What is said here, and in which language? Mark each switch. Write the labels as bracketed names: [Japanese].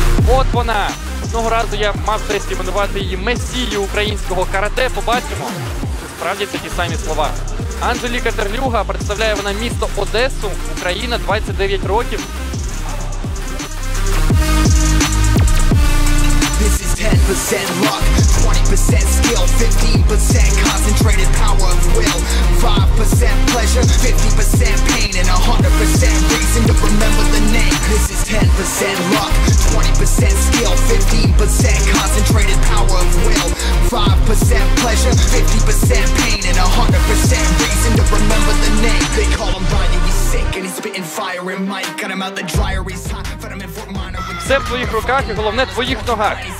[Ukrainian] От вона! Одного разу я мав честь іменувати її месію українського карате. Побачимо, чи справді це ті самі слова. Анжеліка Терлюга, представляє вона місто Одесу, Україна, 29 років. [English] This is 10% luck, 20% skill, 15% concentrated power of will, 5% pleasure, 50% pain, and 100% reason to remember the name. This is 10% luck, 20% skill, 15% concentrated power of will, 5% pleasure, 50% pain, and 100% reason to remember the name. They call him Ryan, and he's sick, and he's spitting fire in Mike. Got him out the dryer, he's hot, fed him in Fort Minor. [Ukrainian] Все в твоїх руках і головне в твоїх ногах.